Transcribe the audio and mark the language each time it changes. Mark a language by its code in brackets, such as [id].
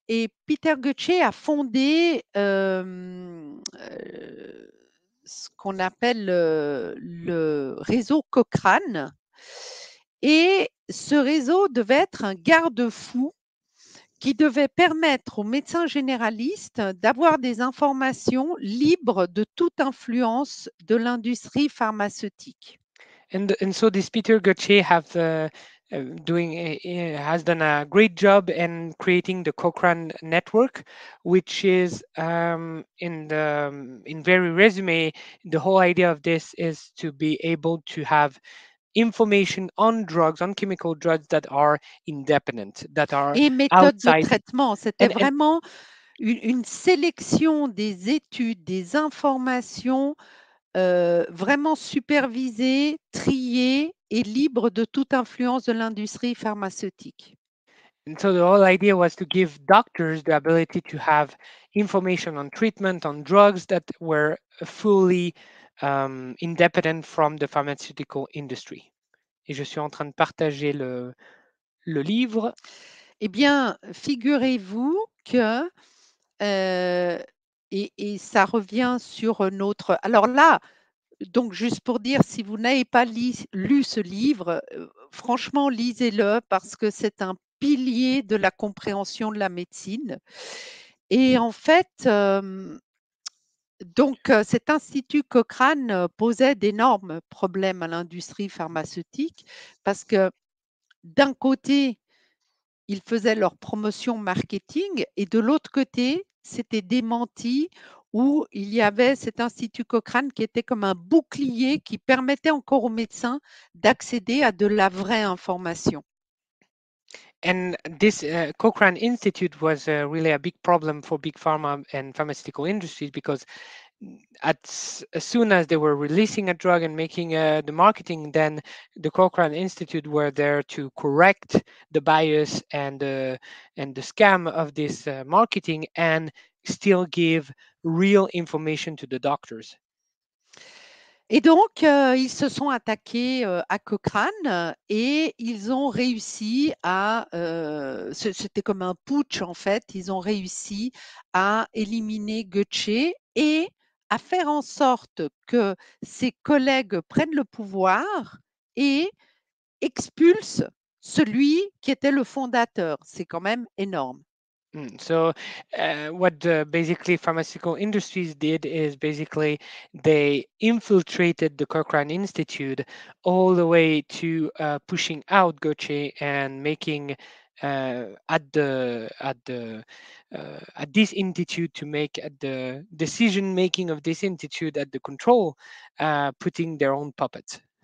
[fr] Et Peter Gauthier a fondé ce qu'on appelle le réseau Cochrane. Et ce réseau devait être un garde-fou qui devait permettre aux médecins généralistes d'avoir des informations libres de toute influence de l'industrie pharmaceutique. [en] And so this Peter Gauthier has done a great job in creating the Cochrane network, which is in very resume, the whole idea of this is to be able to have information on drugs, on chemical drugs that are independent, that are [fr] et méthodes [en] outside. [fr] De traitement. C'était vraiment une sélection des études, des informations vraiment supervisées, triées et libres de toute influence de l'industrie pharmaceutique. [en] And so the whole idea was to give doctors the ability to have information on treatment, on drugs that were fully independent from the pharmaceutical industry. [fr] Et je suis en train de partager le livre. Eh bien, figurez-vous que, et ça revient sur notre... Alors là, donc juste pour dire, si vous n'avez pas lu ce livre, franchement, lisez-le parce que c'est un pilier de la compréhension de la médecine. Et en fait... Donc, cet institut Cochrane posait d'énormes problèmes à l'industrie pharmaceutique parce que d'un côté, ils faisaient leur promotion marketing et de l'autre côté, c'était démenti où il y avait cet institut Cochrane qui était comme un bouclier qui permettait encore aux médecins d'accéder à de la vraie information. [en] And this Cochrane Institute was really a big problem for big pharma and pharmaceutical industries because as soon as they were releasing a drug and making the marketing, then the Cochrane Institute were there to correct the bias and the scam of this marketing and still give real information to the doctors. [fr] Et donc, ils se sont attaqués à Cochrane et ils ont réussi à, c'était comme un putsch en fait, ils ont réussi à éliminer Gauthier et à faire en sorte que ses collègues prennent le pouvoir et expulsent celui qui était le fondateur. C'est quand même énorme. [en] So what basically pharmaceutical industries did is basically they infiltrated the Cochrane Institute all the way to pushing out Gauthier and making at this institute to make at the decision making of this institute at the control putting their own puppets.